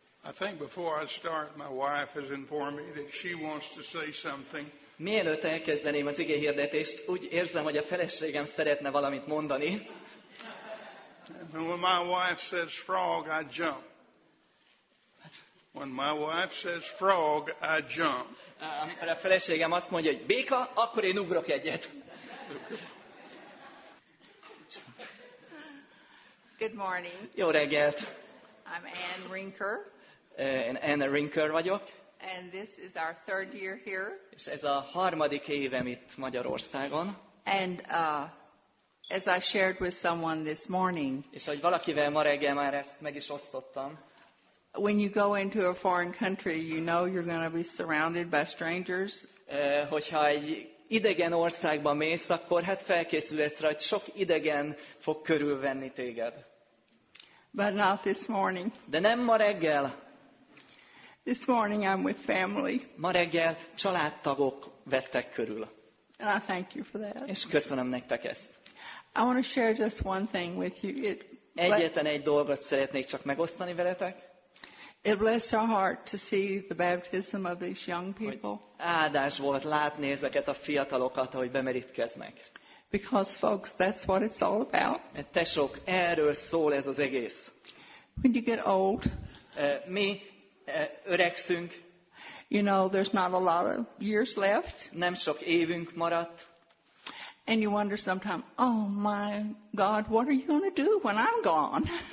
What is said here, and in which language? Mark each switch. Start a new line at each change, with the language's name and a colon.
English: I think before I start, my wife has informed me that she wants to say something.
Hungarian: Mielőtt elkezdeném az igehirdetést, úgy érzem, hogy a feleségem szeretne valamit mondani.
English: And when my wife says frog, I jump. When my wife says frog, I jump.
Hungarian: Amikor a feleségem azt mondja, hogy béka, akkor én ugrok egyet.
English: Good morning.
Hungarian: Jó reggelt.
English: I'm Ann Rinker.
Hungarian: Anna Rinker vagyok.
English: And this is our third year here.
Hungarian: És ez a harmadik évem itt Magyarországon.
English: And as I shared with someone this morning.
Hungarian: És hogy valakivel ma reggel már ezt meg is osztottam.
English: When you go into a foreign country, you know you're going to be surrounded by strangers.
Hungarian: Hogyha egy idegen országba mész, akkor hát felkészülsz rá, hogy sok idegen fog körülvenni téged.
English: But not this morning.
Hungarian: De nem ma reggel.
English: This morning I'm with family.
Hungarian: Ma reggel családtagok vettek körül.
English: And I thank you for that.
Hungarian: És köszönöm nektek ezt.
English: I want to share just one thing with you.
Hungarian: Egyetlen egy dolgot szeretnék csak megosztani veletek.
English: It blessed our heart to see the baptism of these young people.
Hungarian: Áldás volt látni ezeket a fiatalokat, ahogy bemerítkeznek.
English: Because folks, that's what it's all about.
Hungarian: Tesók, erről szól ez az egész.
English: When you get old.
Hungarian: Mi öregszünk.
English: You know, there's not a lot of years left.
Hungarian: Nem sok évünk maradt.
English: And you wonder sometimes, oh my God, what are you going to do when I'm gone?